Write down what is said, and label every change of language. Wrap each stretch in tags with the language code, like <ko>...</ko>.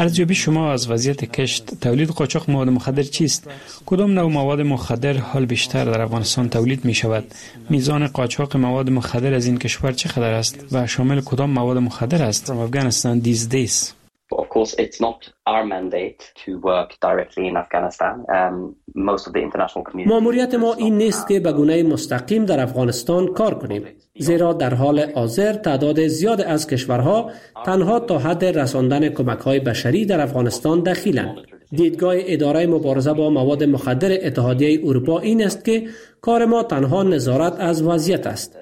<fa>ارزیابی شما از وضعیت کشت، تولید قاچاق مواد مخدر چیست؟ کدام نوع مواد مخدر حال بیشتر در افغانستان تولید می شود؟ میزان قاچاق مواد مخدر از این کشور چقدر است و شامل کدام مواد مخدر است؟</fa> <en>From Afghanistan these days. Of course, it's not our mandate to work directly in Afghanistan. Most of the international community.</en> <fa>ماموریت ما این نیست که به گونه مستقیم در افغانستان کار کنیم، زیرا در حال حاضر تعداد زیاد از کشورها تنها تا حد رساندن کمک‌های بشری در افغانستان دخیلند. دیدگاه اداره مبارزه با مواد مخدر اتحادیه اروپا این است که کار ما تنها نظارت از وضعیت است.</fa>